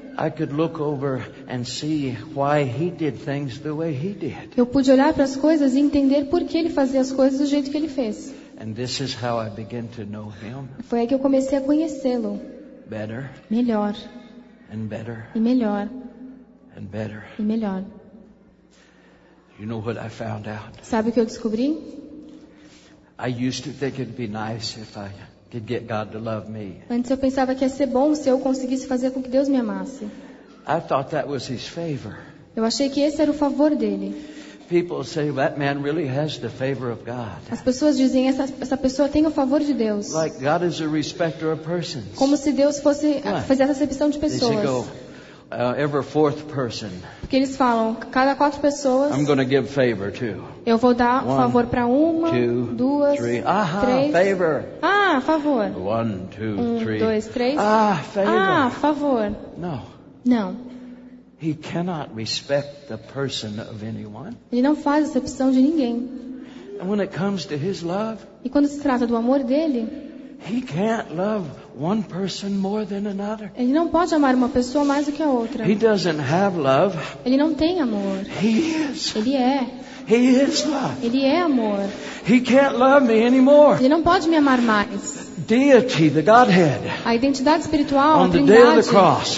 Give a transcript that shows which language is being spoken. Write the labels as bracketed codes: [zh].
[en] I could look over and see why he did things the way he did. [pt] Eu pude olhar para as coisas e entender por que ele fazia as coisas do jeito que ele fez. [en] And this is how I began to know him. [pt] Foi aí que eu comecei a conhecê-lo. [en] Better. [pt] Melhor. [en] And better. [pt] E melhor. [en] And better. [pt] E melhor. [en] You know what I found out? [pt] Sabe o que eu descobri? [en] I used to think it'd be nice if I could get God to love me. [pt] Antes eu pensava que ia ser bom se eu conseguisse fazer com que Deus me amasse. [en] I thought that was his favor. [pt] Eu achei que esse era o favor dele. [en] People say that man really has the favor of God. [pt] As pessoas dizem essa pessoa tem o favor de Deus. [en] Like God is a respecter of persons. [pt] Como se Deus fosse fazer essa recepção de pessoas. [en] Every fourth person. [pt] Porque eles falam cada quatro pessoas. [en] I'm going to give favor to. [pt] Eu vou dar favor para uma, [en] two, [pt] duas, [en] three. Aha, [pt] três. [en] Favor. [pt] Ah, favor. [en] One, two, three. [pt] Dois, três. [en] Ah, favor. [pt] Ah, favor. [en] No. [pt] Não. [en] He cannot respect the person of anyone. [pt] Ele não faz acepção de ninguém. [en] And when it comes to his love, [pt] e quando se trata do amor dele, [en] he can't love one person more than another. [pt] Ele não pode amar uma pessoa mais do que a outra. [en] He doesn't have love. [pt] Ele não tem amor. [en] He is. [pt] Ele é. [en] He is love. [pt] Ele é amor. [en] He can't love me anymore. [pt] Ele não pode me amar mais. [en] Deity, the Godhead. [pt] A identidade espiritual, [en] on [pt] a Trindade, [en] the day of the cross.